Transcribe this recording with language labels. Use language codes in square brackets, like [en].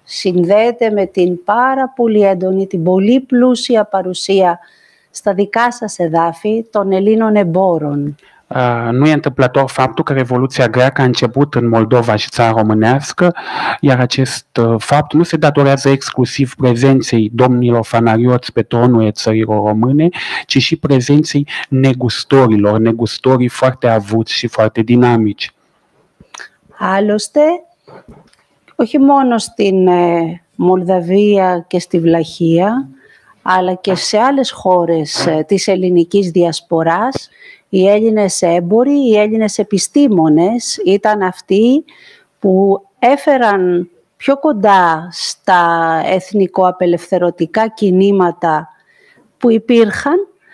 [el] Συνδέεται με την πάρα πολύ έντονη, την πολύ πλούσια παρουσία στα δικά σας εδάφη των Ελλήνων εμπόρων. [ro] Nu e întâmplător faptul că Revoluția Greacă a început în Moldova și Țara Românească, iar acest fapt nu se datorează exclusiv prezenței domnilor fanarioți pe tronul țărilor române, ci și prezenței negustorilor, negustorii foarte avuți și foarte dinamici. [el] Άλλωστε, όχι μόνο στην Μολδαβία και στη Βλαχία, αλλά και σε άλλες χώρες της ελληνικής διασποράς, οι Έλληνες έμποροι, οι Έλληνες επιστήμονες ήταν αυτοί που έφεραν πιο κοντά στα εθνικοαπελευθερωτικά κινήματα που υπήρχαν